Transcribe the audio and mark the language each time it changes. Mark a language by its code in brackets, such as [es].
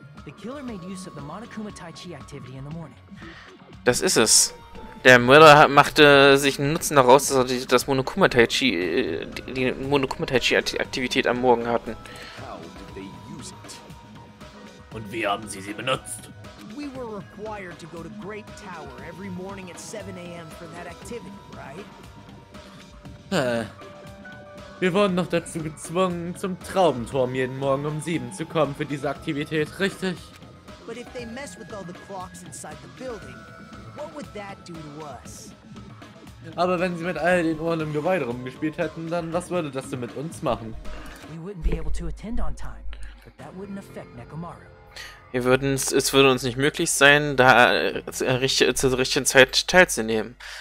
[en] The killer made use of the Monokuma Tai Chi activity in the morning. [de] Das ist es. Der Mörder machte sich einen Nutzen daraus, dass er das Monokuma Tai Chi, die Monokuma Tai Chi Aktivität am Morgen hatten. Und wie haben sie sie benutzt? [en] We were required to go to Great Tower every morning at 7 a.m. for that activity, right? [de] Wir wurden noch dazu gezwungen, zum Traubenturm jeden Morgen um 7 zu kommen für diese Aktivität, richtig? [en] But if they mess with all the clocks inside the building, what would that do to us? [de] Aber wenn sie mit all den Uhren im Gebäude rumgespielt hätten, dann was würde das denn mit uns machen? [en] We wouldn't be able to attend on time, but that wouldn't affect Nekomaru. [de] Wir würden, es würde uns nicht möglich sein, da zur richtigen Zeit teilzunehmen.